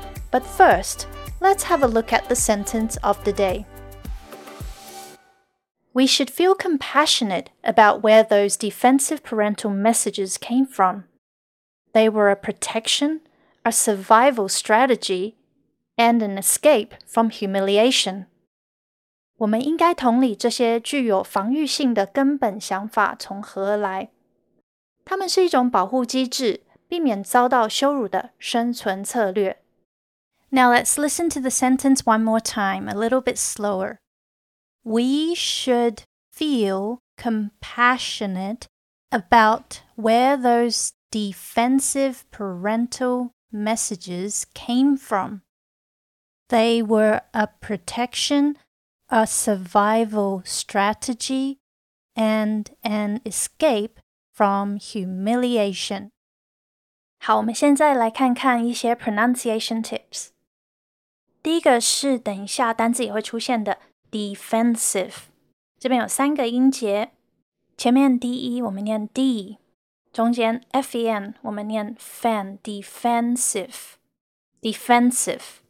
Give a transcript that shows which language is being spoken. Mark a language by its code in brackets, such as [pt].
[en] But first, let's have a look at the sentence of the day. We should feel compassionate about where those defensive parental messages came from. They were a protection, a survival strategy, and an escape from humiliation. [zh] 我们应该同理这些具有防御性的根本想法从何而来。它们是一种保护机制，避免遭到羞辱的生存策略。 [en] Now let's listen to the sentence one more time, a little bit slower. We should feel compassionate about where those defensive parental messages came from. They were a protection, a survival strategy, and an escape from humiliation. [zh] 好，我们现在来看看一些 [en] pronunciation tips。 [zh] 第一个是等一下单字也会出现的 defensive， 这边有三个音节，前面 D-E 我们念 D， 中间 F-E-N 我们念 fan， defensive， defensive。